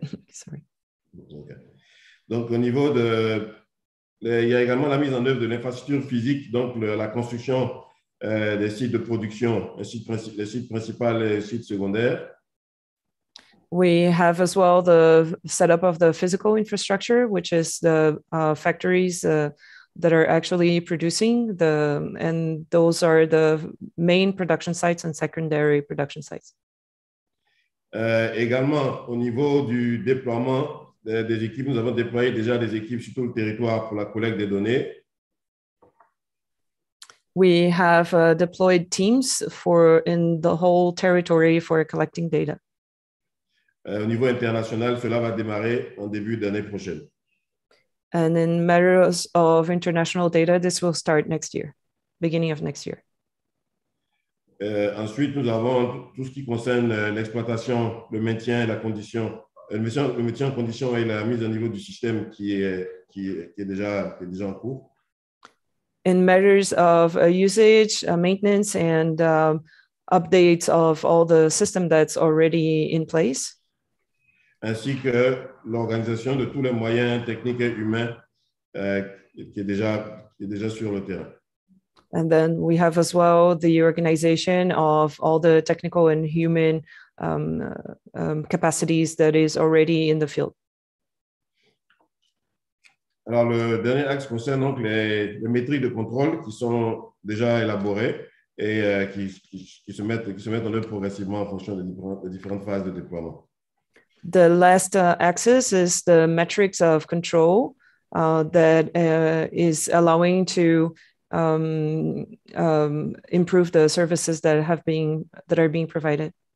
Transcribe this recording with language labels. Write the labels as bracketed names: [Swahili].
[English] Sorry. [French] Okay. Donc au niveau de... Il y a également la mise en œuvre de l'infrastructure physique, donc la construction des sites de production, les sites principaux et les sites secondaires. [English] We have as well the setup of the physical infrastructure, which is the factories that are actually producing the, and those are the main production sites and secondary production sites. [French] Également, au niveau du déploiement des équipes, nous avons déployé déjà des équipes sur tout le territoire pour la collecte des données. [English] We have deployed teams in the whole territory for collecting data. [French] Au niveau international, cela va démarrer en début d'année prochaine. [English] And in matters of international data, this will start next year, beginning of next year. [French] Ensuite, nous avons tout ce qui concerne l'exploitation, le maintien et la condition, le maintien en condition et la mise à niveau du système qui est déjà en cours. [English] In matters of usage, maintenance and updates of all the system that's already in place. [French] Ainsi que l'organisation de tous les moyens techniques et humains qui est déjà sur le terrain. [English] And then we have as well the organization of all the technical and human capacities that is already in the field. [French] Alors le dernier axe concerne donc les métriques de contrôle qui sont déjà élaborées et qui se mettent en œuvre progressivement en fonction des différentes phases de déploiement. [English] The last axis is the metrics of control that is allowing to improve the services that are being provided.